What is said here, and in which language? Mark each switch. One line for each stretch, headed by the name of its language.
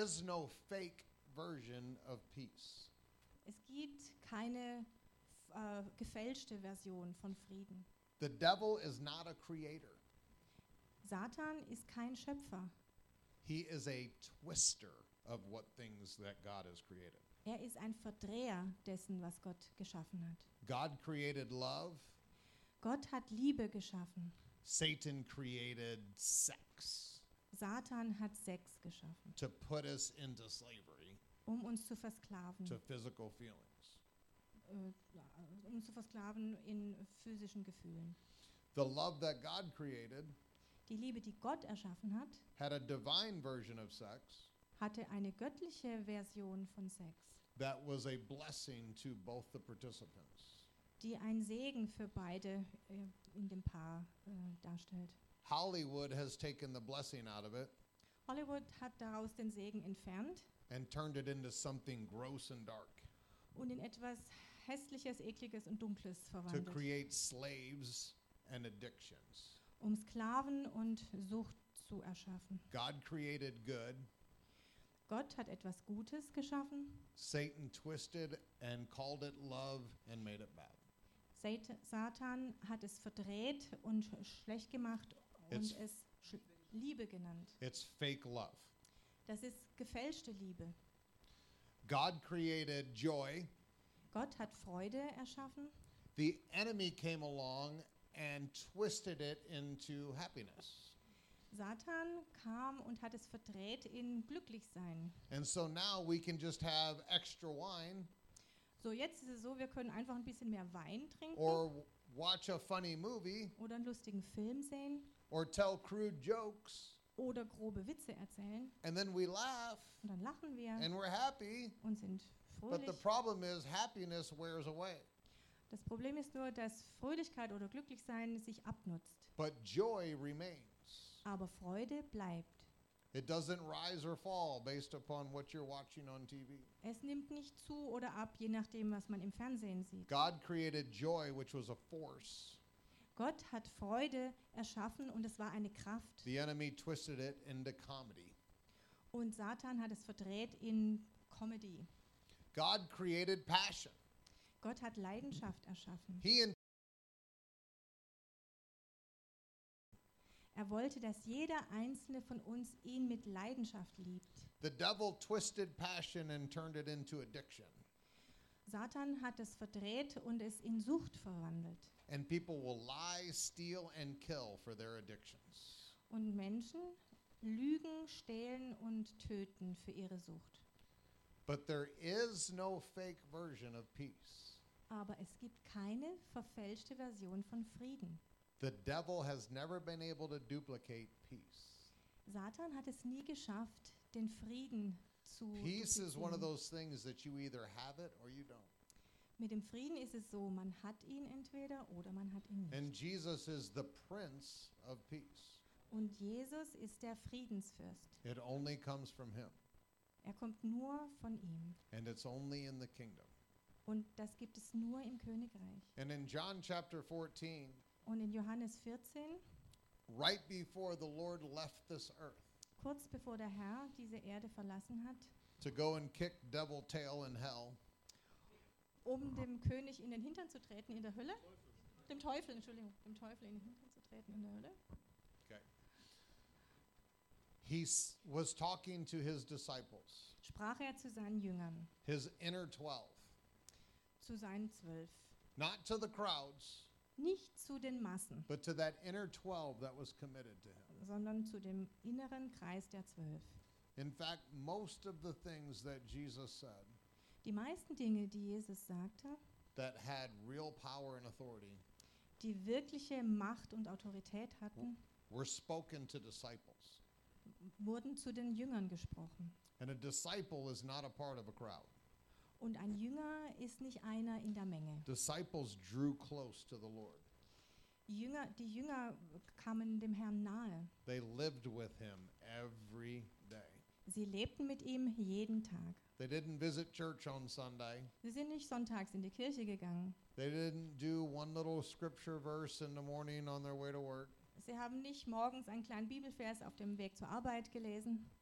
English: So there is no fake version of peace.
German: Es gibt keine gefälschte Version von Frieden.
English: The devil is not a creator.
German: Satan ist kein Schöpfer.
English: He is a twister of what things that God has created.
German: Er ist ein Verdreher dessen, was Gott geschaffen hat.
English: God created love.
German: Gott hat Liebe geschaffen.
English: Satan created sex.
German: Satan hat Sex geschaffen.
English: To put us into slavery.
German: Um uns zu versklaven.
English: To physical feelings.
German: Um zu versklaven in physischen Gefühlen.
English: The love that God created,
German: die Liebe, die Gott erschaffen hat,
English: had a divine version of sex,
German: hatte eine göttliche Version von Sex.
English: That was a blessing to both the participants.
German: Die ein Segen für beide in dem Paar darstellt.
English: Hollywood has taken the blessing out of it.
German: Hollywood hat daraus den Segen entfernt.
English: And turned it into something gross and dark.
German: Und in etwas Hässliches, Ekliges und Dunkles verwandelt.
English: To create slaves and addictions.
German: Um Sklaven und Sucht zu erschaffen.
English: God created good.
German: Gott hat etwas Gutes geschaffen.
English: Satan twisted and called it love and made it bad.
German: Satan hat es verdreht und schlecht gemacht und es Liebe genannt.
English: It's fake love.
German: Das ist gefälschte Liebe.
English: God created joy.
German: Gott hat Freude erschaffen.
English: The enemy came along and twisted it into happiness.
German: Satan kam und hat es verdreht in glücklich sein.
English: And so now we can just have extra wine.
German: So jetzt ist es so, wir können einfach ein bisschen mehr Wein trinken.
English: Or watch a funny movie.
German: Oder einen lustigen Film sehen.
English: Or tell crude jokes.
German: Oder grobe Witze erzählen.
English: And then we laugh.
German: Und dann lachen wir.
English: And we're happy.
German: Und sind fröhlich.
English: But the problem is happiness wears away.
German: Das Problem ist nur, dass Fröhlichkeit oder Glücklichsein sich abnutzt.
English: But joy remains.
German: Aber Freude bleibt.
English: It doesn't rise or fall based upon what you're watching on TV.
German: Es nimmt nicht zu oder ab, je nachdem, was man im Fernsehen sieht.
English: God created joy, which was a force.
German: Gott hat Freude erschaffen und es war eine Kraft.
English: The enemy twisted it into comedy.
German: Und Satan hat es verdreht in Comedy.
English: God created passion.
German: Gott hat Leidenschaft erschaffen. Er wollte, dass jeder einzelne von uns ihn mit Leidenschaft liebt.
English: The devil twisted passion and turned it into addiction.
German: Satan hat es verdreht und es in Sucht verwandelt.
English: And people will lie, steal and kill for their addictions.
German: Und Menschen lügen, stehlen und töten für ihre Sucht.
English: But there is no fake version of peace.
German: Aber es gibt keine verfälschte Version von Frieden.
English: The devil has never been able to duplicate peace.
German: Satan hat es nie geschafft, den Frieden zu duplizieren.
English: Peace is one of those things that you either have it or you don't.
German: Mit dem Frieden ist es so, man hat ihn entweder oder man hat ihn nicht.
English: And Jesus is the Prince of Peace.
German: Und Jesus ist der Friedensfürst.
English: It only comes from him.
German: Er kommt nur von ihm.
English: And it's only in the kingdom.
German: Und das gibt es nur im Königreich.
English: And in John chapter 14,
German: und in Johannes 14,
English: right before the Lord left this earth,
German: kurz bevor der Herr diese Erde verlassen hat,
English: to go and kick devil tail in hell,
German: um dem König in den Hintern zu treten in der Hölle, dem Teufel in den Hintern zu treten in der Hölle.
English: Okay. He was talking to his disciples.
German: Sprach er zu seinen Jüngern.
English: His inner 12.
German: Zu seinen 12.
English: Not to the crowds.
German: Nicht zu den Massen.
English: But to that inner 12 that was committed to him.
German: Sondern zu dem inneren Kreis der 12.
English: In fact, most of the things that Jesus said.
German: Die meisten Dinge, die Jesus sagte,
English: that had real power and authority,
German: die wirkliche Macht und Autorität hatten,
English: were spoken to disciples.
German: Wurden zu den Jüngern gesprochen.
English: And a disciple is not a part of a crowd.
German: Und ein Jünger ist nicht einer in der Menge.
English: Disciples drew close to the Lord.
German: Die Jünger kamen dem Herrn nahe.
English: They lived with him every day.
German: Sie lebten mit ihm jeden Tag.
English: They didn't visit church on Sunday.
German: Sie sind nicht sonntags in die Kirche gegangen.
English: They didn't do one little scripture verse in the morning on their way to work.
German: Sie haben nicht morgens einen kleinen Bibelvers auf dem Weg zur Arbeit gelesen.